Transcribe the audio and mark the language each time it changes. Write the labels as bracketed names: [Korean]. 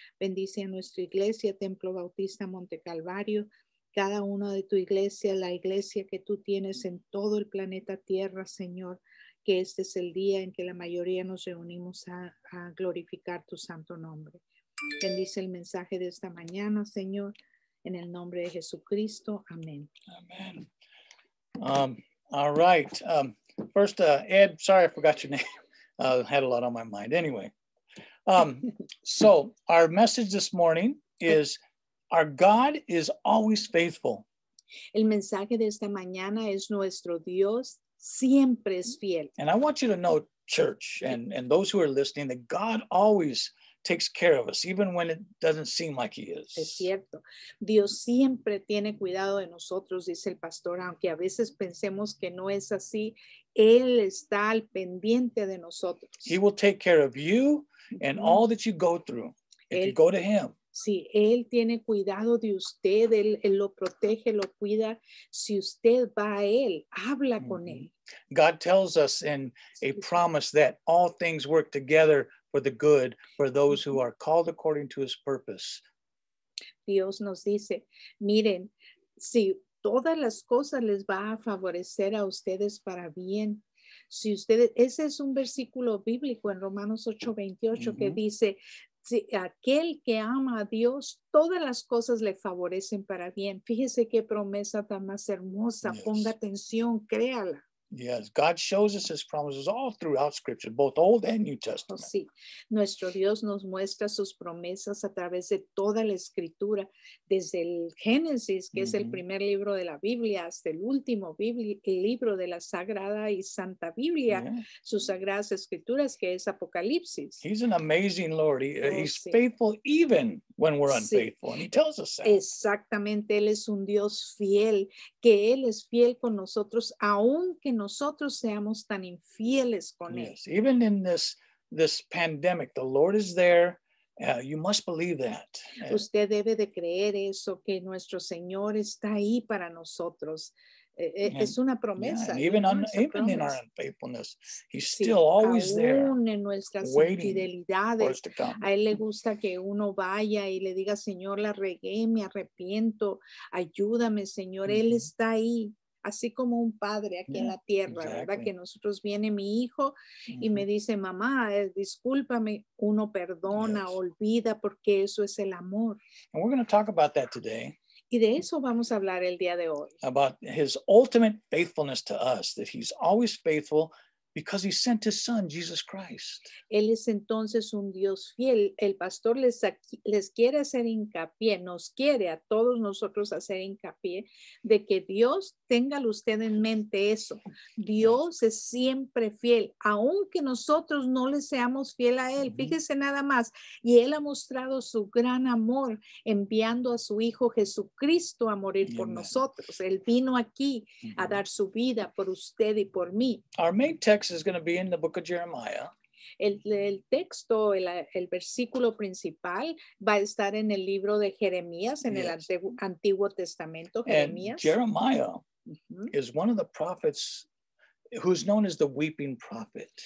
[Spanish] Bendice a nuestra iglesia, Templo Bautista Monte Calvario, cada uno de tu iglesia, la iglesia que tú tienes en todo el planeta Tierra, Señor, que este es el día en que la mayoría nos reunimos a glorificar tu santo nombre. Bendice el mensaje de esta mañana, Señor, en el nombre de Jesucristo. Amén. [English] Amén. All right. First, Ed, sorry, I forgot your name. I had a lot on my mind. Anyway, so our message this morning is, our God is always faithful. [Spanish] El mensaje de esta mañana es, nuestro Dios siempre es fiel. [English] And I want you to know, church, and those who are listening, that God always takes care of us, even when it doesn't seem like he is. [Spanish] Es cierto. Dios siempre tiene cuidado de nosotros, dice el pastor, aunque a veces pensemos que no es así, él está al pendiente de nosotros. [English] He will take care of you and all that you go through if you go to him. [Spanish] Sí, él tiene cuidado de usted, él lo protege, lo cuida. Si usted va a él, habla con él. [English] God tells us in a promise that all things work together for the good for those who are called according to his purpose. [Spanish] Dios nos dice, miren, si todas las cosas les va a favorecer a ustedes para bien. Si ustedes, ese es un versículo bíblico en Romanos 8:28 que dice, sí, aquel que ama a Dios, todas las cosas le favorecen para bien. Fíjese qué promesa tan más hermosa. Ponga atención, créala. [English] Yes, God shows us his promises all throughout Scripture, both Old and New Testament. [Spanish] Sí, nuestro Dios nos muestra sus promesas a través de toda la Escritura, desde el Génesis, que es el primer libro de la Biblia, hasta el último libro de la Sagrada y Santa Biblia, sus Sagradas Escrituras, que es Apocalipsis. [English] He's an amazing Lord. He's faithful even when we're unfaithful, and he tells us that. [Spanish] Exactamente, él es un Dios fiel, que él es fiel con nosotros, aunque nosotros seamos tan infieles con él. [English] Yes, even in this pandemic, the Lord is there. You must believe that. [Spanish] Usted debe de creer eso, que nuestro Señor está ahí para nosotros. Es una promesa. [English] Yeah, even in our unfaithfulness, he's still always there. [Spanish] Aún en nuestras infidelidades, a él le gusta que uno vaya y le diga, Señor, la regué, me arrepiento, ayúdame, Señor. Él está ahí, así como un padre aquí en la tierra, [English] exactly. [Spanish] ¿Verdad? Que nosotros viene mi hijo y me dice, mamá, discúlpame, uno perdona, olvida, porque eso es el amor. [English] And we're going to talk about that today. [Spanish] Y de eso vamos a hablar el día de hoy. [English] About his ultimate faithfulness to us, that he's always faithful because he sent his son, Jesus Christ. [Spanish] Él es entonces un Dios fiel. El pastor les quiere hacer hincapié, nos quiere a todos nosotros hacer hincapié de que Dios, téngalo usted en mente eso. Dios es siempre fiel, aunque nosotros no le seamos fiel a él. Mm-hmm. Fíjese nada más. Y él ha mostrado su gran amor enviando a su hijo Jesucristo a morir por nosotros. Él vino aquí a dar su vida por usted y por mí. [English] Our main text is going to be in the book of Jeremiah. [Spanish] El texto, el versículo principal va a estar en el libro de Jeremías, en el Antiguo Testamento, Jeremías. [English] And Jeremiah is one of the prophets who's known as the weeping prophet.